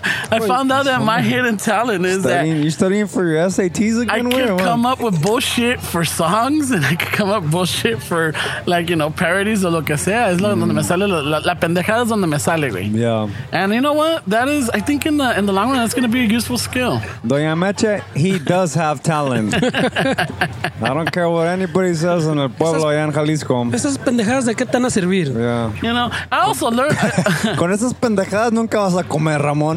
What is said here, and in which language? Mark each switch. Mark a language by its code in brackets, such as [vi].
[en] I found out that my hidden talent is You're studying for your SATs again? I could come up with bullshit for songs, and I could come up bullshit for, like, you know, parodies or [es] lo que sea. Es donde me sale, la pendejada es donde me sale, güey. [en] Yeah. And you know what? That is, I think in the long run, that's going to be a useful skill. Doña Meche, he does have talent. I don't care what anybody says in [es] el pueblo allá en Jalisco. Esas pendejadas de qué tan hace. [en] Yeah. You know, I also learned. [es] Con esas pendejadas nunca vas a comer, Ramón.